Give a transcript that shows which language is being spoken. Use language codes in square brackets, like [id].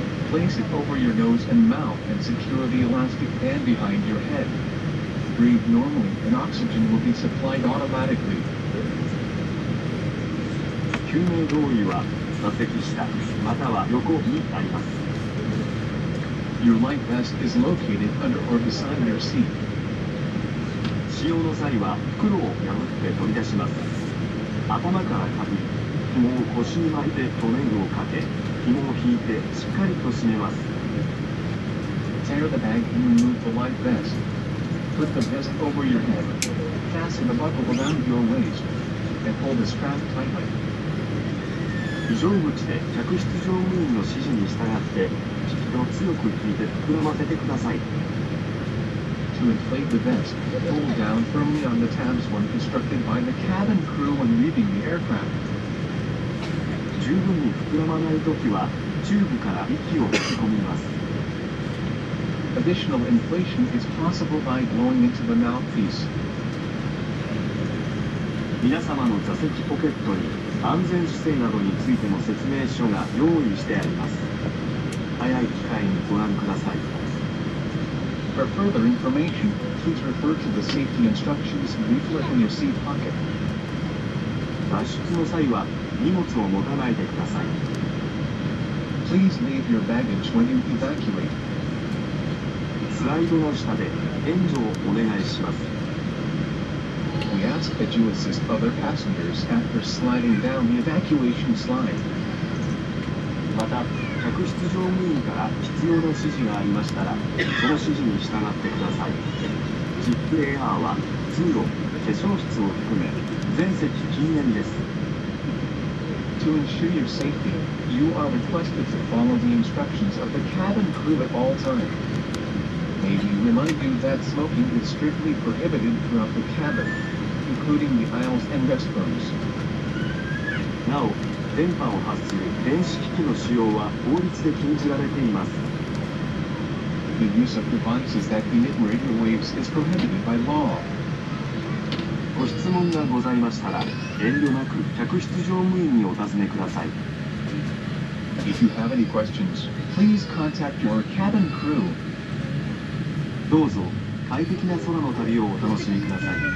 [en] Place it over your nose and mouth and secure the elastic band behind your head. Breathe normally and oxygen will be supplied automatically. [ja] 救命胴衣は座席下または横にあります。 [en] Your life vest is located under or beside your seat. [ja] 使用の際は袋を破って取り出します。頭からかぶり、紐を腰に巻いてトレングをかけ、紐を引いてしっかりと締めます。 [en] Tear the bag and remove the life vest. Put the vest over your head. Fasten the buckle around your waist and pull the strap tightly. [ja] 非常口で客室乗務員の指示に従って、引き手を強く引いて膨らませてください。 [en] To inflate the vest, pull down firmly on the tabs when instructed by the cabin crew when leaving the aircraft. [ja] 十分に膨らまないときは、チューブから息を吹き込みます。 [en] Additional inflation is possible by blowing into the mouthpiece. [ja] 皆様の座席ポケットに安全姿勢などについての説明書が用意してあります。早い機会にご覧ください。 [en] For further information, please refer to the safety instructions leaflet in your seat pocket. [ja] 脱出の際は荷物を持たないでください。 [en] Please leave your baggage when you evacuate. [ja] スライドの下で援助をお願いします。 [en] We ask that you assist other passengers after sliding down the evacuation slide. [ja] また、客室乗務員から必要な指示がありましたら、その指示に従ってください。 ZIPAIR は通路、化粧室を含め、全席禁煙です。 [en] To ensure your safety, you are requested to follow the instructions of the cabin crew at all times. May we remind you that smoking is strictly prohibited throughout the cabin, including the aisles and restrooms. [ja] なお、電波を発する電子機器の使用は法律で禁じられています。 [en] The use of devices that emit radio waves is prohibited by law. [ja] ご質問がございましたら、遠慮なく客室乗務員にお尋ねください。 [en] If you have any questions, please contact your cabin crew. [ja] どうぞ、快適な空の旅をお楽しみください。